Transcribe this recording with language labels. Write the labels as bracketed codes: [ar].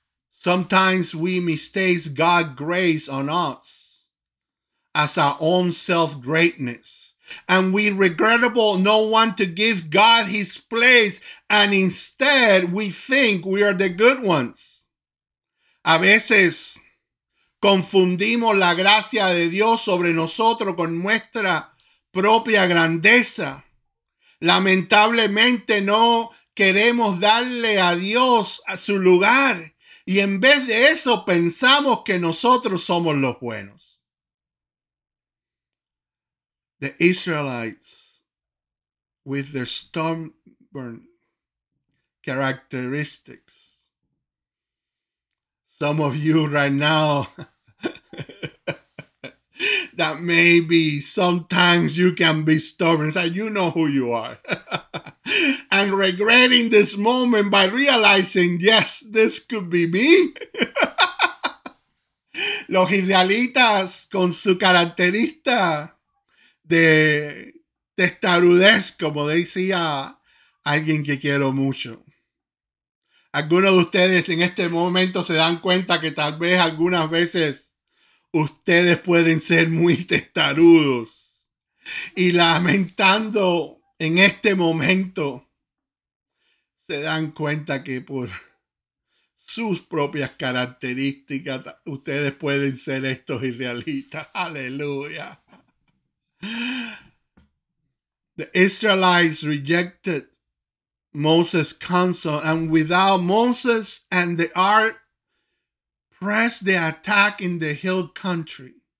[en] Sometimes we mistake God's grace on us as our own self-greatness, and we regrettable no one to give God his place, and instead we think we are the good ones. [es] A veces confundimos la gracia de Dios sobre nosotros con nuestra propia grandeza. Lamentablemente no queremos darle a Dios a su lugar. Y en vez de eso pensamos que nosotros somos los buenos. [en] The Israelites, with their stubborn characteristics. Some of you right now, that maybe sometimes you can be stubborn. It's like, you know who you are. And regretting this moment by realizing, yes, this could be me. [es] Los israelitas con su característica de testarudez, como decía alguien que quiero mucho. Algunos de ustedes en este momento se dan cuenta que tal vez algunas veces ustedes pueden ser muy testarudos. Y lamentando en este momento, se dan cuenta que por sus propias características, ustedes pueden ser estos israelitas. Aleluya. [en] The Israelites rejected Moses' counsel, and without Moses and the ark, pressed the attack in the hill country.